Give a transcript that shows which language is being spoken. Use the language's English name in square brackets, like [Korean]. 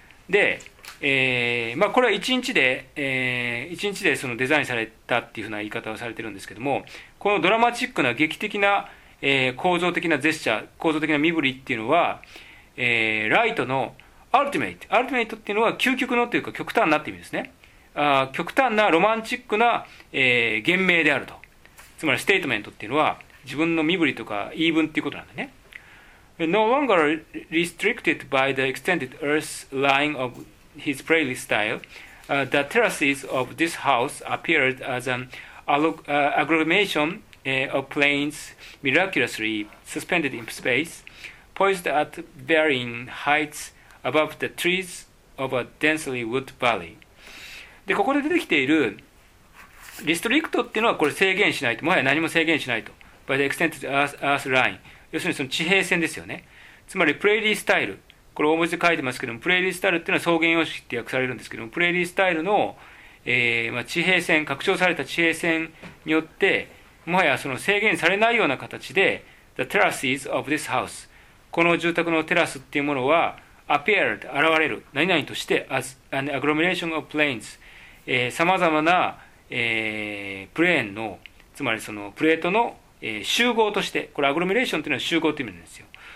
[Japanese] で、まあ、これは1日で、1日でそのデザインされたっていうふうな言い方をされてるんですけども、このドラマチックな劇的な、構造的なジェスチャー、構造的な身振りっていうのは、ライトのアルティメイトっていうのは究極のというか極端なって意味ですね。あ、極端なロマンチックな、言明であると。つまりステートメントっていうのは自分の身振りとか言い分っていうことなんだね。 [English] No longer restricted by the extended earth line of his prairie style,the terraces of this house appeared as an agglomeration, of planes miraculously suspended in space, poised at varying heights above the trees of a densely wood valley. [Japanese] で、ここで出てきている restrict っていうのはこれ制限しないと、もはや何も制限しないと。 [English] by the extended earth line. [Japanese] 要するにその地平線ですよね。つまりプレーリースタイル、これ大文字で書いてますけども、プレーリースタイルっていうのは草原様式って訳されるんですけども、プレーリースタイルの、まあ、地平線、拡張された地平線によってもはやその制限されないような形で、 [English] The terraces of this house、 [Japanese] この住宅のテラスっていうものは appeared、 現れる、何々として [English] as an agglomeration of plains、 [Japanese] 様々な、プレーンの、つまりそのプレートの集合として、これアグロミレーションというのは集合という意味なんですよ。